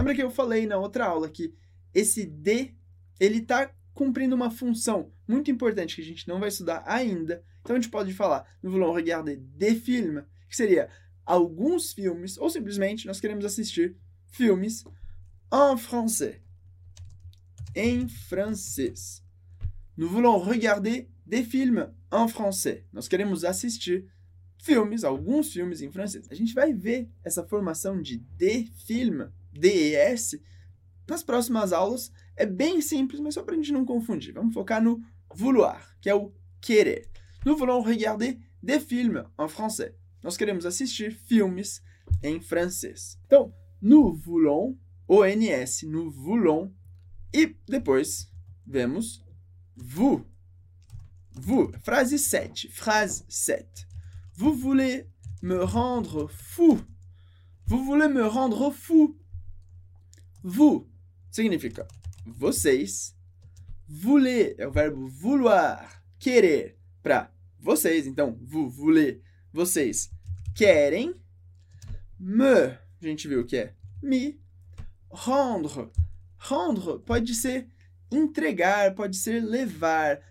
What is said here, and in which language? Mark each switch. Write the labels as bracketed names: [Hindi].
[Portuguese] Lembra que eu falei na outra aula que esse de ele tá cumprindo uma função muito importante que a gente não vai estudar ainda. Então a gente pode falar [French] nous voulons regarder de filme, [Portuguese] que seria alguns filmes, ou simplesmente nós queremos assistir filmes [French] en français. [Portuguese] Em francês. [French] Nous voulons regarder des films en français. [Portuguese] Nós queremos assistir filmes, alguns filmes em francês. A gente vai ver essa formação de des films, DES, nas próximas aulas. É bem simples, mas só para a gente não confundir. Vamos focar no vouloir, que é o querer. [French] Nous voulons regarder des films en français. [Portuguese] Nós queremos assistir filmes em francês. Então, [French] nous voulons, [Portuguese] ONS, nous voulons. E depois vemos vous. Vous, [French] phrase 7, phrase 7. Vous voulez me rendre fou. Vous voulez me rendre fou. [Portuguese] Vous significa vocês. Voulez é o verbo vouloir, querer, para vocês. Então, [French] vous voulez, [Portuguese] vocês querem. Me, a gente viu que é me. Rendre pode ser entregar, pode ser levar.